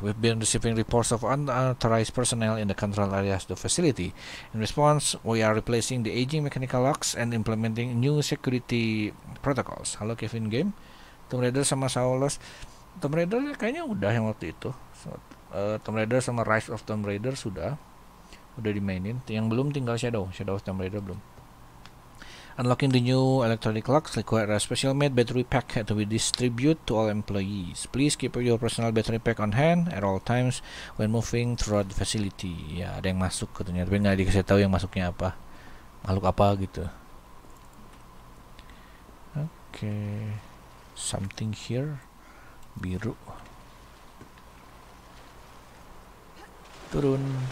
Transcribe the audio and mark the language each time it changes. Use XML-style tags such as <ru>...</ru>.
<en>We've been receiving reports of unauthorized personnel in the control areas of the facility. In response, we are replacing the aging mechanical locks and implementing new security protocols.</en> <id>Halo Kevin Game, Tomb Raider sama Saulus. Tomb Raider kayaknya udah yang waktu itu. Tomb Raider sama Rise of Tomb Raider sudah. Udah dimainin. Yang belum tinggal Shadow. Shadow of Tomb Raider belum.</id> <en>Unlocking the new electronic locks require a special made battery pack to be distributed to all employees. Please keep your personal battery pack on hand at all times when moving throughout the facility.</en> <id>Ya, ada yang masuk katanya, tapi nggak dikasih tahu yang masuknya apa, makhluk apa gitu.</id> <en>Okay, something here,</en> <id>biru. Turun.</id>